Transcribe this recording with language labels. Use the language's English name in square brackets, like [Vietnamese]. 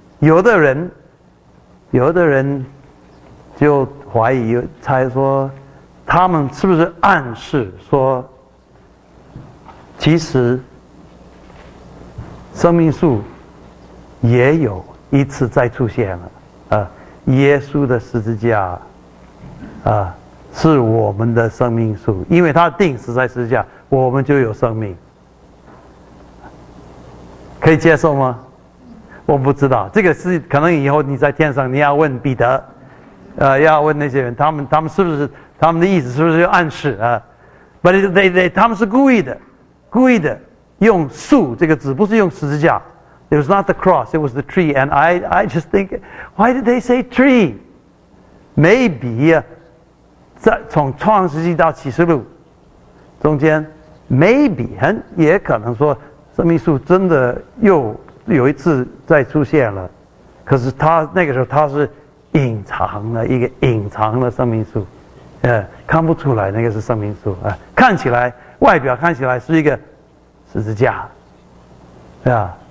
[Chinese] 有的人就怀疑，猜说他们是不是暗示说，其实生命树也有一次再出现了，耶稣的十字架，是我们的生命树，因为他钉死在十字架，我们就有生命，可以接受吗？我不知道，这个是可能以后你在天上你要问彼得，要问那些人，他们是不是他们的意思是不是有暗示啊？不是，他们是故意的用树这个字，不是用十字架。 [English] It was not the cross, it was the tree. And I just think, why did they say tree? Maybe, [Chinese] 在从创世纪到启示录中间 ， [English] maybe [Chinese] 很也可能说生命树真的有一次再出现了，可是他那个时候他是隐藏了一个隐藏的生命树，看不出来那个是生命树啊，看起来外表看起来是一个十字架，对吧？